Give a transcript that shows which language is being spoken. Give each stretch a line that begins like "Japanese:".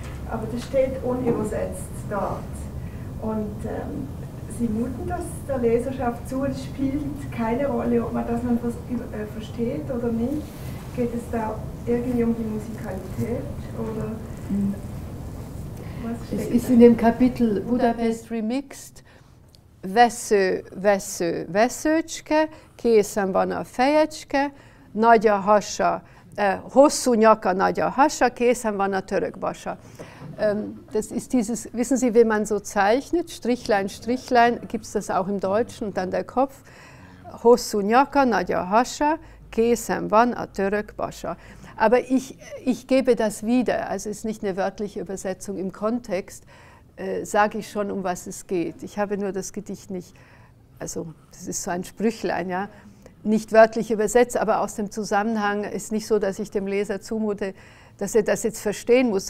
German: Aber das steht unübersetzt dort. Und Sie muten das der Leserschaft zu, es spielt keine Rolle, ob man das versteht oder nicht. Geht es da irgendwie um die Musikalität oder... Es ist in dem Kapitel Budapest Remixed.
Hungarian: Vesző, vesző, veszőcske, készen van a fejecske, nagy a hasa, hosszú nyaka, nagy a hasa, készen van a törökbasa.
German: Das ist dieses, wissen Sie, wie man so zeichnet, Strichlein, Strichlein, gibt es das auch im Deutschen, und dann der Kopf.
Hungarian: Hosszú nyaka, nagy a hasa, készen van a törökbasa.
German: Aber ich gebe das wieder, also es ist nicht eine wörtliche Übersetzung, im Kontext sage ich schon, um was es geht. Ich habe nur das Gedicht nicht, also das ist so ein Sprüchlein, ja, nicht wörtlich übersetzt, aber aus dem Zusammenhang ist nicht so, dass ich dem Leser zumute, dass er das jetzt verstehen muss.